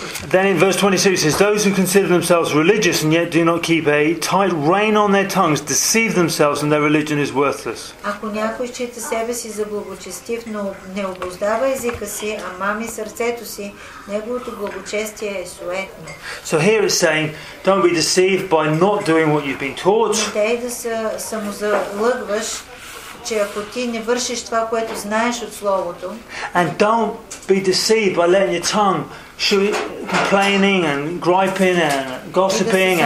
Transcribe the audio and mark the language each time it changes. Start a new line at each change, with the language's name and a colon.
English: Then in verse 26 it says, those who consider themselves religious and yet do not keep a tight rein on their tongues deceive themselves and their religion is worthless.
Bulgarian: Ако някой счита себе си за благочестив, но не обуздава езика си, а мами сърцето си, неговото благочестие е суетно.
English: So here it's saying, don't be deceived by not doing what you've been taught.
Bulgarian: Не дей да се самозалъгваш, че ако ти не вършиш това, което знаеш от Словото.
English: And don't be deceived by letting your tongue complaining and griping and gossiping.